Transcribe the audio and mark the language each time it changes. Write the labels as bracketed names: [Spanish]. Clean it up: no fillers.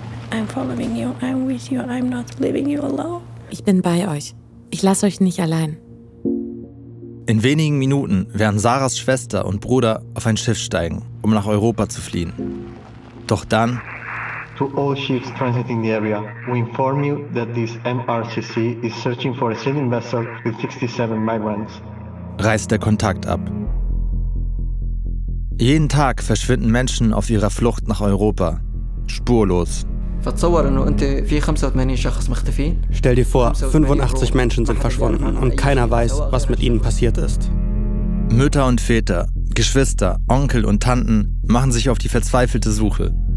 [English] I'm following you, I'm with you, I'm not leaving you alone. [German] Ich bin bei euch. Ich lasse euch nicht allein. In wenigen Minuten werden Sarahs Schwester und Bruder auf ein Schiff steigen, um nach Europa zu fliehen. Doch dann... [English] To all ships transiting the area, we inform you that this MRCC is searching for a sailing vessel with 67 migrants. [German] Reißt der Kontakt ab. Jeden Tag verschwinden Menschen auf ihrer Flucht nach Europa. Spurlos. Stell dir vor, 85 Menschen sind verschwunden und keiner weiß, was mit ihnen passiert ist. Mütter und Väter, Geschwister, Onkel und Tanten machen sich auf die verzweifelte Suche.